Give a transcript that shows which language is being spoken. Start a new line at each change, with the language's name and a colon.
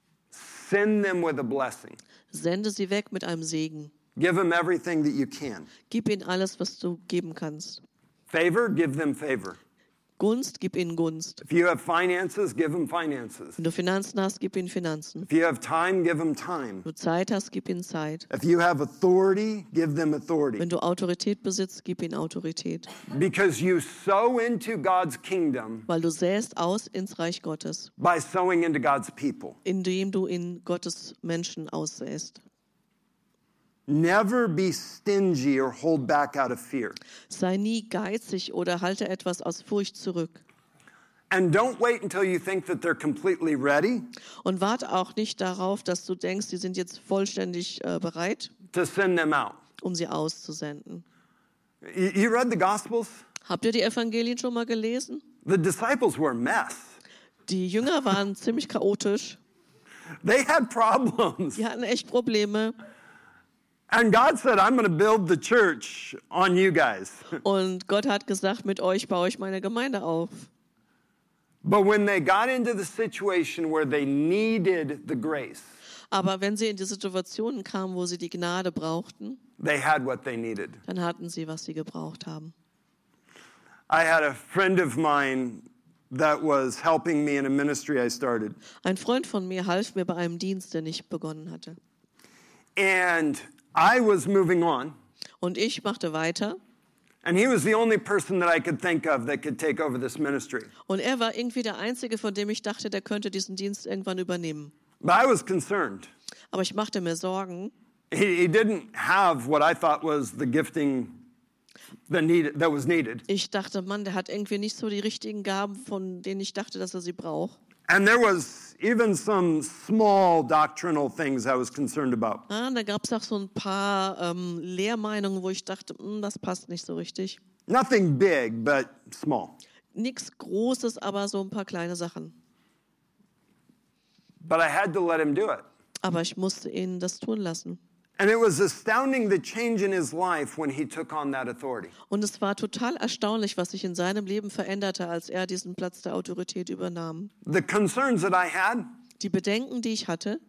English: Send them with a blessing.
German: Sende sie weg mit einem Segen.
English: Give them everything that you can.
German: Gib ihnen alles, was du geben kannst.
English: Favor, give them favor.
German: Gunst, gib ihnen Gunst.
English: If you have finances, give them finances.
German: Wenn du Finanzen hast, gib ihnen Finanzen.
English: If you have time, give them time.
German: Wenn du Zeit hast, gib ihnen Zeit.
English: If you have authority, give them authority.
German: Wenn du Autorität besitzt, gib ihnen Autorität.
English: Because you sow into God's kingdom.
German: Weil du säst aus ins Reich Gottes.
English: By sowing into God's people.
German: Indem du in Gottes Menschen aussäst.
English: Never be stingy or hold back out of fear.
German: Sei nie geizig oder halte etwas aus Furcht zurück.
English: And don't wait until you think that they're completely ready.
German: Und warte auch nicht darauf, dass du denkst, sie sind jetzt vollständig bereit.
English: To send them out.
German: Um sie auszusenden.
English: You read the Gospels?
German: Habt ihr die Evangelien schon mal gelesen?
English: The disciples were a mess.
German: Die Jünger waren ziemlich chaotisch.
English: They had problems.
German: Die hatten echt Probleme.
English: And God said, "I'm going to build the church on you guys."
German: Und Gott hat gesagt, mit euch baue ich meine Gemeinde auf.
English: But when they got into the situation where they needed the grace.
German: Aber wenn sie in die Situation kamen, wo sie die Gnade brauchten.
English: They had what they needed.
German: Dann hatten sie, was sie gebraucht haben.
English: I had a friend of mine that was helping me in a ministry I started.
German: Ein Freund von mir half mir bei einem Dienst, den ich begonnen hatte.
English: And I was moving on.
German: Und ich machte weiter.
English: And he was the only person that I could think of that could take over this ministry.
German: Und er war irgendwie der einzige, von dem ich dachte, der könnte diesen Dienst irgendwann übernehmen.
English: But I was concerned.
German: Aber ich machte mir Sorgen.
English: He didn't have what I thought was the gifting that was needed.
German: Ich dachte, Mann, der hat irgendwie nicht so die richtigen Gaben, von denen ich dachte, dass er sie braucht.
English: And there was even some small doctrinal things I was concerned about.
German: Ah, da gab's auch so ein paar Lehrmeinungen, wo ich dachte, das passt nicht so richtig.
English: Nothing big, but small.
German: nichts Großes, aber so ein paar kleine Sachen.
English: But I had to let him do it.
German: Aber ich musste ihn das tun lassen.
English: And it was astounding the change in his life when he took on that authority.
German: Und es war total erstaunlich, was sich in seinem Leben veränderte, als er diesen Platz der Autorität übernahm.
English: The concerns that I had,
German: die Bedenken, die ich hatte,